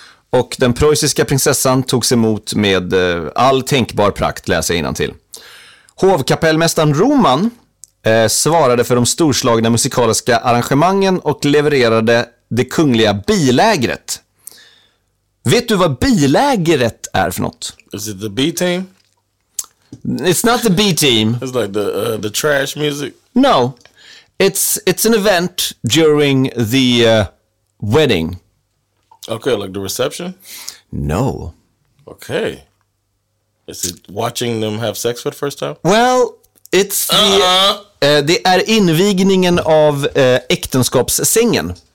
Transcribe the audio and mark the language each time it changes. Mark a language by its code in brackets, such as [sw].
[sv] Och den preussiska prinsessan togs emot med all tänkbar prakt, läser jag innantill. Hovkapellmästaren Roman svarade för de storslagna musikaliska arrangemangen och levererade det kungliga bilägret. Vet du vad bilägret är för något? [en] Is it the B-team? It's not the B-team. It's like the trash music. No, it's an event during the wedding. Okay, like the reception? No. Okay. Is it watching them have sex for the first time? Well, it's [sv] det är invigningen av äktenskapssängen.